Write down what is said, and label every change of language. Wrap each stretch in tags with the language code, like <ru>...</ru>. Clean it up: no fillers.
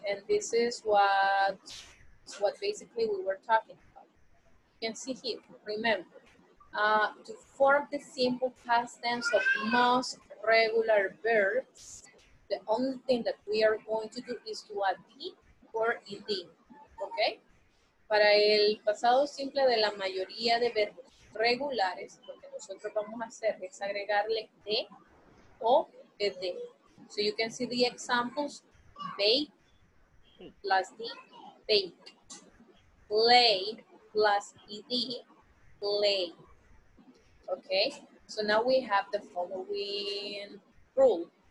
<en>And this is what basically we were talking about. You can see here, remember, to form the simple past tense of most regular verbs, the only thing that we are going to do is to add P or ED, okay?</en> <es>Para el pasado simple de la mayoría de verbos regulares, lo que nosotros vamos a hacer es agregarle D o ED.</es> <en>So you can see the examples, bake plus D, bake. Play plus ed, play. Okay, so now we have the following rule.</en>